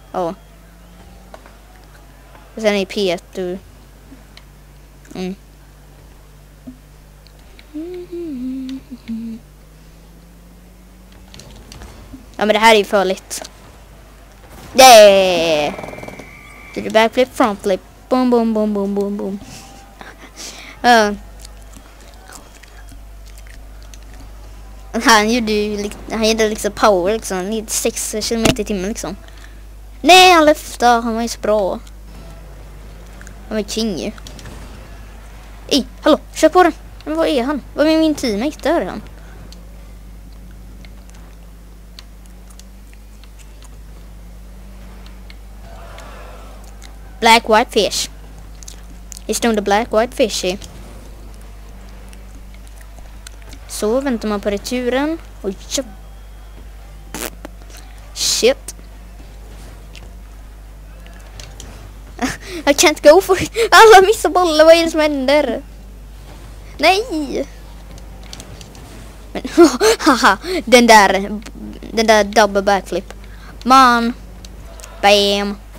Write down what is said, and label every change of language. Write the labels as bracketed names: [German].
[Swedish] Ja. Oh. Sen är Peter. Mm. Ja men det här är ju farligt. [English] Yeah! Did you backflip, frontflip? Boom, boom, boom, boom, boom, boom. [Swedish] Han gjorde liksom power liksom, 96 km i timmen liksom. Nej, han lyfte, han var ju så bra. Han var king ju. Ej, hallå, kör på den. Men var är han? Var är min teammate? Där är han. [English] Black white fish. He's doing the black white fishy. [Swedish] Så väntar man på returen. Oj, shit. [English] I can't go for it. [Swedish] Alla missar bollen, vad är det som händer? Nej! Men haha, den där double backflip. Man! Bam!